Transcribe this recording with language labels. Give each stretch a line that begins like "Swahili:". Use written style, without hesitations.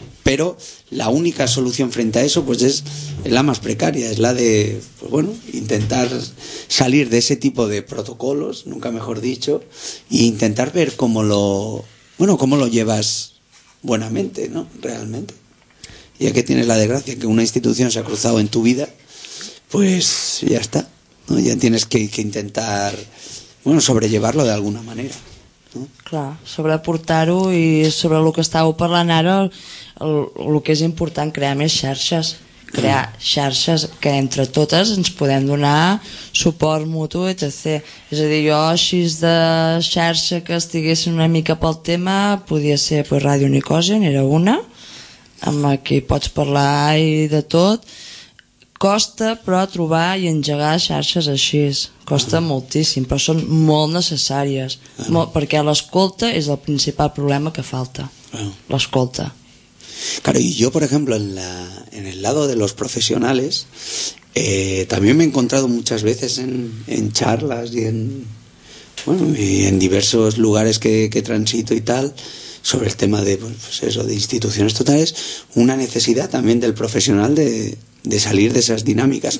Spanish: Pero la única solución frente a eso pues es la más precaria, es la de intentar salir de ese tipo de protocolos, nunca mejor dicho, e intentar ver cómo lo llevas buenamente, ¿no? Realmente. Ya que tienes la desgracia que una institución se ha cruzado en tu vida, pues ya está, ¿no? Ya tienes que intentar sobrellevarlo de alguna manera.
Catalan: Clar, sobreportar-ho i sobre el que estàveu parlant ara, el que és important, crear més xarxes, crear xarxes que entre totes ens podem donar suport mutu, etc. És a dir, jo així de xarxa que estiguessin una mica pel tema, podia ser pues, Ràdio Unicosi, n'era una, amb qui pots parlar i de tot. Costa, però, trobar i engegar xarxes així. Costa moltíssim, però són molt necessàries. Perquè l'escolta és el principal problema que falta. L'escolta.
Spanish: Claro, y yo, por ejemplo, en el lado de los profesionales, también me he encontrado muchas veces en charlas y en diversos lugares que transito y tal, sobre el tema de instituciones totales, una necesidad también del profesional de salir de esas dinámicas.